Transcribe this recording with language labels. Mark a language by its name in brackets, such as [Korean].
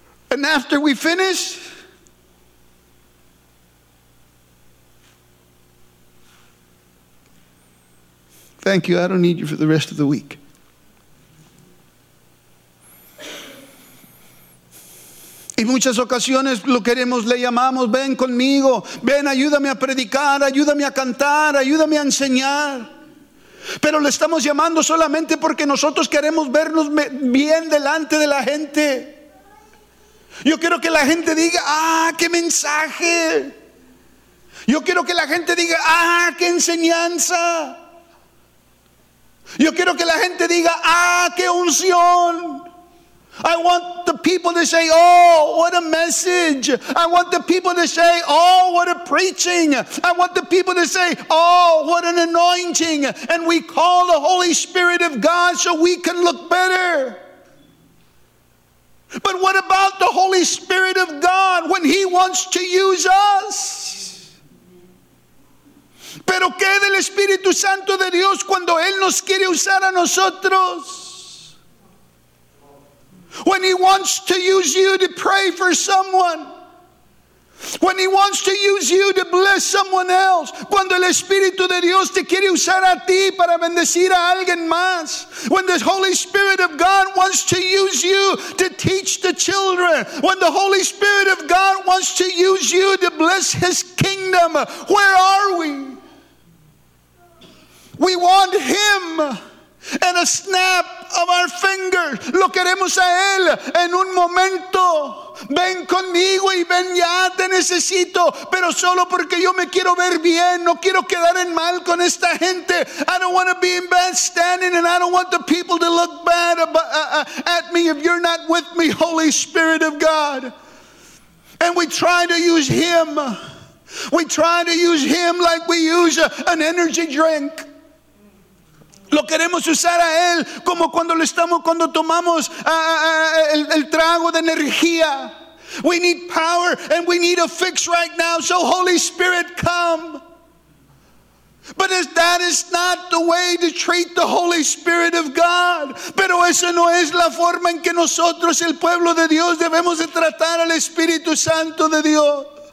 [English] And after we finish, thank you, I don't need you for the rest of the week. [Spanish] Y muchas ocasiones lo queremos, le llamamos, ven conmigo, ven, ayúdame a predicar, ayúdame a cantar, ayúdame a enseñar. Pero le estamos llamando solamente porque nosotros queremos vernos bien delante de la gente. Yo quiero que la gente diga, ¡ah, qué mensaje! Yo quiero que la gente diga, ¡ah, qué enseñanza! Yo quiero que la gente diga, ¡ah, qué unción! [English] I want the people to say, ¡oh, what a message! I want the people to say, ¡oh, what a preaching! I want the people to say, ¡oh, what an anointing! And we call the Holy Spirit of God so we can look better. But what about the Holy Spirit of God when he wants to use us? [Spanish] Pero qué del Espíritu Santo de Dios cuando él nos quiere usar a nosotros? [English] When he wants to use you to pray for someone. When he wants to use you to bless someone else. [Spanish] Cuando el Espíritu de Dios te quiere usar a ti para bendecir a alguien más. [English] When the Holy Spirit of God wants to use you to teach the children. When the Holy Spirit of God wants to use you to bless his kingdom. Where are we? We want him in a snap of our finger. [Spanish] Lo queremos a él en un momento. Ven conmigo y ven ya, te necesito. Pero solo porque yo me quiero ver bien. No quiero quedar en mal con esta gente. [English] I don't want to be in bad standing. And I don't want the people to look bad at me if you're not with me, Holy Spirit of God. And we try to use him. We try to use him like we use an energy drink. [Spanish] Lo queremos usar a él como cuando lo estamos cuando tomamos el trago de energía. [English] We need power and we need a fix right now. So Holy Spirit, come. But that is not the way to treat the Holy Spirit of God. [Spanish] Pero esa no es la forma en que nosotros, el pueblo de Dios, debemos de tratar al Espíritu Santo de Dios.